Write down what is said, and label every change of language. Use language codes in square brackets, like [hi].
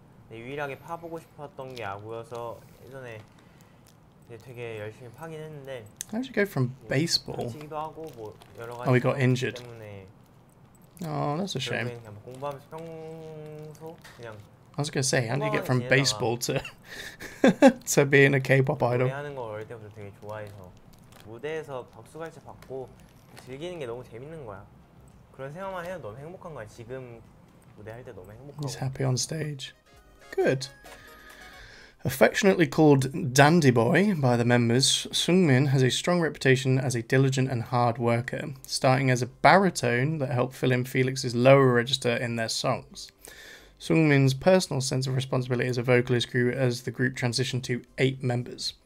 [ko] 내 유일하게 파보고 싶었던 게 야구여서 예전에 이제 되게 열심히 파긴 했는데. [en] How did you go from baseball? [ko] 다치기도 하고 뭐 여러 가지. [en] Oh, we got injured. [ko] 때문에. [en] Oh, that's a shame. [ko] 그냥 공부하면서 평소 그냥. [en] I was gonna say, how do you get from baseball to to being a K-pop idol? [ko] 노래하는 걸 어릴 때부터 되게 좋아해서 무대에서 박수 갈채 받고 즐기는 게 너무 재밌는 거야. 그런 생각만 해도 너무 행복한 거야. 지금 무대 할 때 너무 행복하고. [en] He's happy on stage. Good. Affectionately called Dandy Boy by the members, Seungmin has a strong reputation as a diligent and hard worker, starting as a baritone that helped fill in Felix's lower register in their songs. Seungmin's personal sense of responsibility as a vocalist grew as the group transitioned to 8 members.